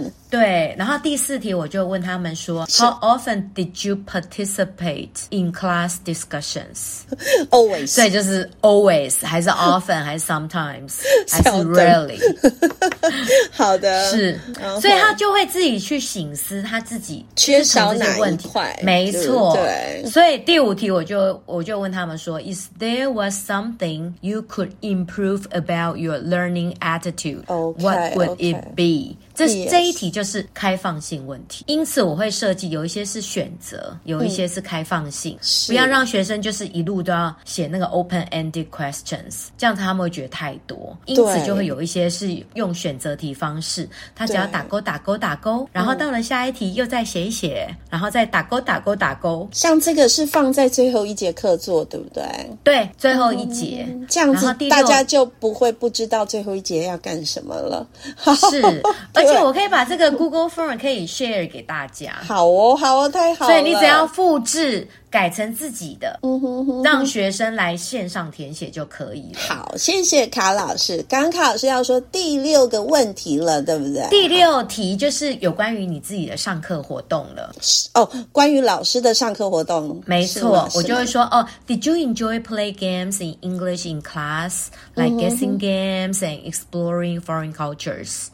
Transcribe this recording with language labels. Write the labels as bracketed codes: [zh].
[zh] 对然后第四题我就问他们说 [en] How often did you participate in class discussions? Always [zh] 所以就是 always 还是 often 还是 sometimes 还是 really 好的是所以他就会自己去省思他自己缺少哪一块没错对所以第五题我就问他们说 [en] Is there was something you could improve about your learning attitude? Okay, What would okay. it be? [zh] 这一题就是开放性问题因此我会设计有一些是选择有一些是开放性、嗯、不要让学生就是一路都要写那个 [en] open-ended questions [zh] 这样子他们会觉得太多因此就会有一些是用选择题方式他只要打勾打勾打勾然后到了下一题又再写一写、嗯、然后再打勾打勾打勾像这个是放在最后一节课做对不对对最后一节、嗯、这样子大家就不会不知道最后一节要干什么了是而且我可以把这个 Google Form 可以 share 给大家好哦好哦太好了所以你只要复制改成自己的让学生来线上填写就可以了好谢谢卡老师刚卡老师要说第六个问题了对不对第六题就是有关于你自己的上课活动了哦关于老师的上课活动没错我就会说哦 [en] Did you enjoy play games in English in class like guessing games and exploring foreign cultures